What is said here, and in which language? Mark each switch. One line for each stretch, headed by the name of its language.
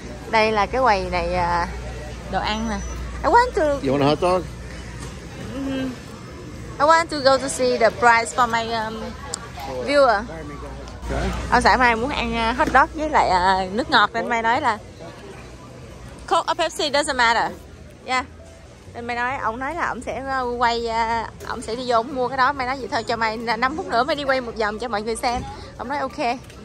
Vietnamese: Đây là cái quầy này đồ ăn nè.
English: I want to. You want a hot dog? I want to go to see the price for my viewer. Okay.
Vietnamese: Ông xã Mai muốn ăn hot dog với lại nước ngọt nên Mai nói là
English: Coke or Pepsi doesn't matter.
Vietnamese: Yeah. Nên Mai nói, ông nói là ông sẽ quay, ông sẽ đi vô mua cái đó. Mai nói vậy thôi, cho Mai 5 phút nữa Mai đi quay một vòng cho mọi người xem. Ông nói ok.